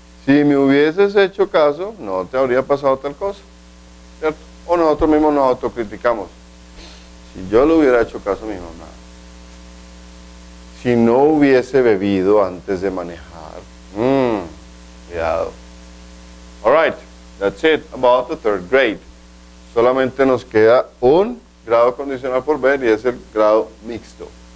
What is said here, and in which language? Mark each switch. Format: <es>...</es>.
<es>Si me hubieses hecho caso, no te habría pasado tal cosa, ¿cierto? O nosotros mismos nos autocriticamos. Si yo le hubiera hecho caso a mi mamá, si no hubiese bebido antes de manejar, cuidado.</es> <en>All right, that's it about the third grade.</en> <es>Solamente nos queda un grado condicional por ver y es el grado mixto.</es>